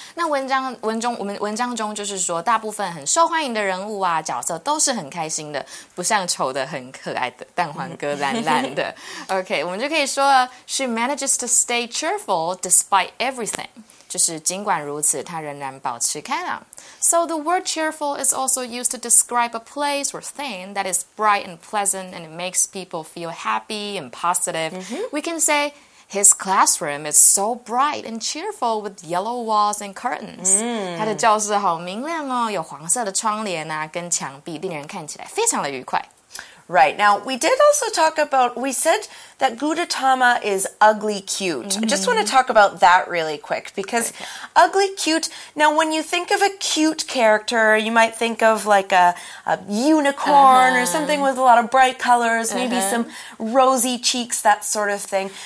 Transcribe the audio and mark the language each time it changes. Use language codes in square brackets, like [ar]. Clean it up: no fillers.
[zh] 那文章中就是说，大部分很受欢迎的人物啊、角色都是很开心的，不像丑的、很可爱的蛋黄哥懒懒的。 [en] Okay, [zh] 我们就可以说 [en] She manages to stay cheerful despite everything. [zh] 就是尽管如此，他仍然保持开朗。 [en] So the word cheerful is also used to describe a place or thing that is bright and pleasant and it makes people feel happy and positive. We can say, his classroom is so bright and cheerful with yellow walls and curtains. [zh] 他的教室好明亮哦，有黄色的窗帘啊，跟墙壁，令人看起来非常的愉快。 [en] Right. Now, we did also talk about, we said that Gudetama is ugly cute. I just want to talk about that really quick because ugly cute, now when you think of a cute character, you might think of like a unicorn or something with a lot of bright colors, maybe some rosy cheeks, that sort of thing.